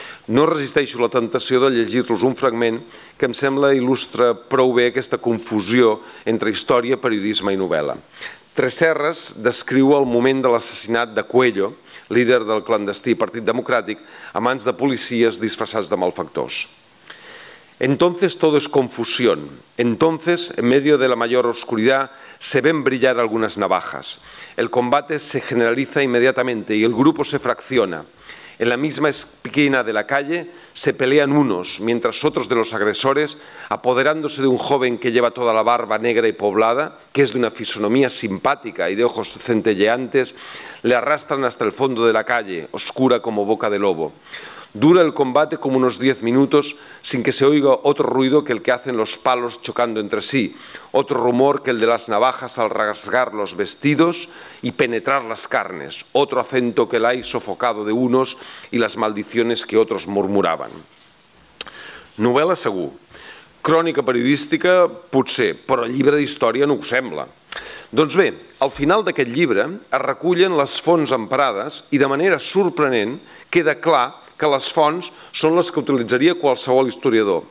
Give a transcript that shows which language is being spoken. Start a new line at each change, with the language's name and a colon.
Catalan: No resisteixo la temptació de llegir-los un fragment que em sembla il·lustra prou bé aquesta confusió entre història, periodisme i novel·la. Tresserres descriu el moment de l'assassinat de Coelho, líder del clandestí Partit Democràtic, a mans de policies disfressats de malfactors.
Spanish: Entonces todo es confusión. Entonces, en medio de la mayor oscuridad, se ven brillar algunas navajas. El combate se generaliza inmediatamente y el grupo se fracciona. En la misma esquina de la calle se pelean unos, mientras otros de los agresores, apoderándose de un joven que lleva toda la barba negra y poblada, que es de una fisonomía simpática y de ojos centelleantes, le arrastran hasta el fondo de la calle, oscura como boca de lobo. Dura el combate como unos 10 minutos sin que se oiga otro ruido que el que hacen los palos chocando entre sí, otro rumor que el de las navajas al rasgar los vestidos y penetrar las carnes, otro acento que el aire sofocado de unos y las maldiciones que otros murmuraban.
Catalan: Novel·la segur, crònica periodística potser, però llibre d'història no ho sembla. Doncs bé, al final d'aquest llibre es recullen les fonts emprades i de manera sorprenent queda clar que les fonts són les que utilitzaria qualsevol historiador.